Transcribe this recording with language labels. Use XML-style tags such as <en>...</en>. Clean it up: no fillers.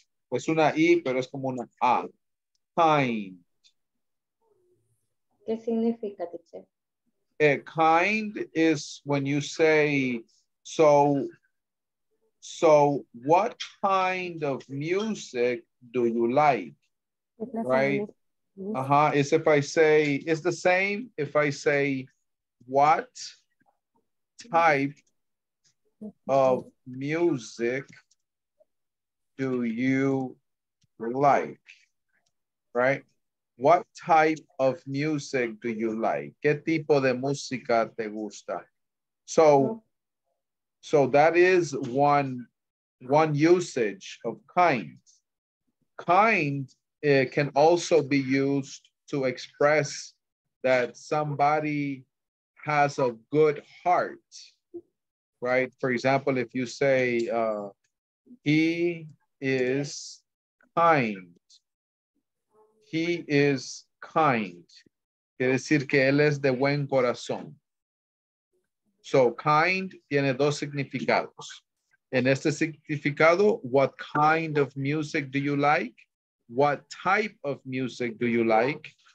<es>Pues una I, pero es como una A.</es> <en>Kind.</en> <es>¿Qué significa, teacher?</es> <en>Kind is when you say, so what kind of music do you like? Right? Is if I say, it's the same if I say, what type of music do you like? Right? What type of music do you like?</en> <es>¿Qué tipo de música te gusta?</es> <en>So that is one usage of kind. Kind can also be used to express that somebody has a good heart, right? For example, if you say, he is kind. He is kind.</en> <es>Quiere decir que él es de buen corazón.</es> <en>So kind</en> <es>tiene dos significados. En este significado,</es> <en>what kind of music do you like? What type of music do you like?</en>